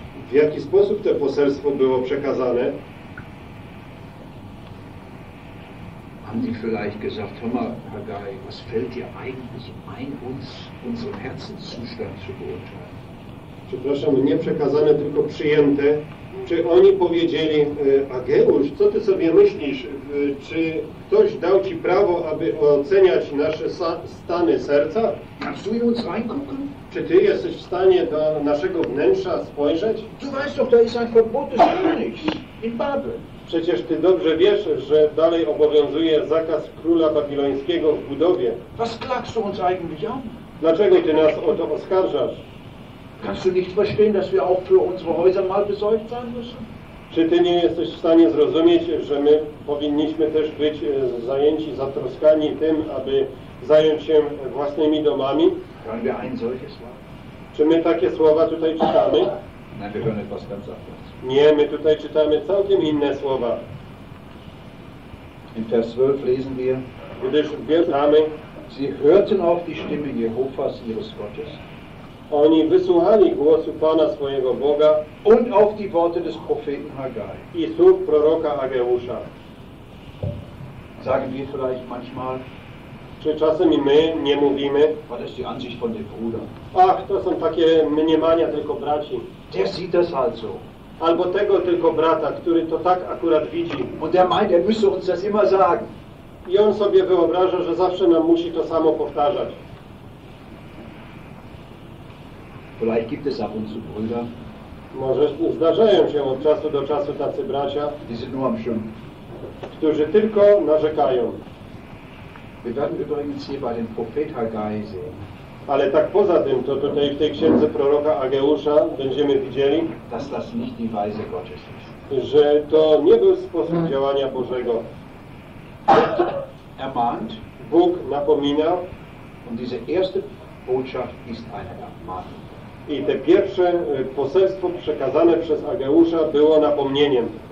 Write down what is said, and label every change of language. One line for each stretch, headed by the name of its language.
Polish: W jaki sposób to poselstwo było przekazane?
German: Haben Sie vielleicht gesagt, hör mal, Herr Guy, was fällt dir eigentlich ein, uns unseren Herzenszustand zu beurteilen?
Polish: Przepraszam, nie przekazane, tylko przyjęte. Czy oni powiedzieli, Ageusz, co ty sobie myślisz? Czy ktoś dał ci prawo, aby oceniać nasze stany serca?
German: Kannst du in uns reingucken?
Polish: Czy ty jesteś w stanie do naszego wnętrza spojrzeć?
German: Du weißt doch, da ist ein Verbot des Königs in Babel.
Polish: Przecież ty dobrze wiesz, że dalej obowiązuje zakaz króla babilońskiego w budowie.
German: Was klagst du uns eigentlich an?
Polish: Dlaczego ty nas o to oskarżasz?
German: Kannst du nicht verstehen, dass wir auch für unsere Häuser mal besorgt sein müssen?
Polish: Czy ty nie jesteś w stanie zrozumieć, że my powinniśmy też być zajęci, zatroskani tym, aby zająć się własnymi domami?
German: Hören wir ein solches Wort?
Polish: Czy my takie słowa tutaj czytamy?
German: Nein, wir hören etwas ganz anderes.
Polish: Nie, my tutaj czytamy całkiem inne słowa.
German: In Vers 12 lesen wir.
Polish: Gdyż wiersamy.
German: Sie hörten auf die Stimme Jehovas, ihres Gottes.
Polish: Oni wysłuchali głosu Pana swojego Boga
German: und auf die Worte des Propheten Haggai.
Polish: I słów proroka Ageusza.
German: Sagen wir vielleicht manchmal,
Polish: czy czasem i my nie mówimy,
German: was ist die Ansicht von dem Bruder?
Polish: Ach, to są takie mniemania tylko braci.
German: Der sieht das also.
Polish: Albo tego tylko brata, który to tak akurat widzi.
German: Und der meint, er müsse uns das immer sagen.
Polish: I on sobie wyobraża, że zawsze nam musi to samo powtarzać.
German: Vielleicht gibt es ab und zu Brüder.
Polish: Może zdarzają się od czasu do czasu tacy bracia,
German: die sind nur am Schimpfen,
Polish: którzy tylko narzekają.
German: Wir werden übrigens hier bei dem Prophet Haggai sehen.
Polish: Ale tak poza tym, to tutaj w tej księdze proroka Ageusza będziemy widzieli,
German: dass das nicht die Weise Gottes ist.
Polish: Że to nie był sposób działania Bożego.
German: Ermahnt.
Polish: Bóg napomina.
German: Und diese erste Botschaft ist eine Ermahnung.
Polish: I te pierwsze poselstwo przekazane przez Ageusza było napomnieniem.